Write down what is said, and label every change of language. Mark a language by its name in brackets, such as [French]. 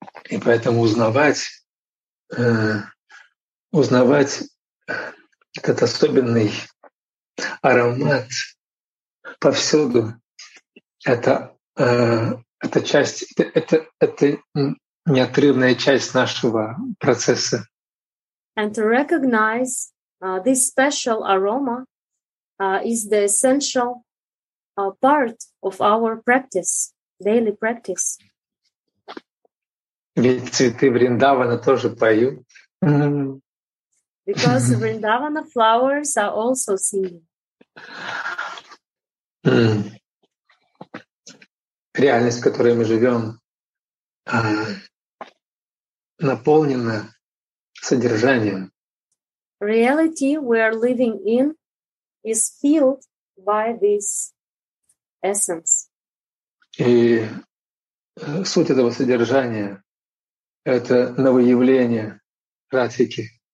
[Russian] И поэтому узнавать этот особенный аромат повсюду, это часть, это неотрывная часть нашего процесса. [English] And to recognize this special aroma is the essential part of our practice, daily practice. [Russian] Ведь цветы Вриндавана тоже поют. [English] Because Vrindavana flowers are also singing. [Russian] Реальность, в которой мы живем, наполнена содержанием. [English] Reality we are living in is filled by this essence. [Russian] И суть этого содержания — это новоявление Радхики.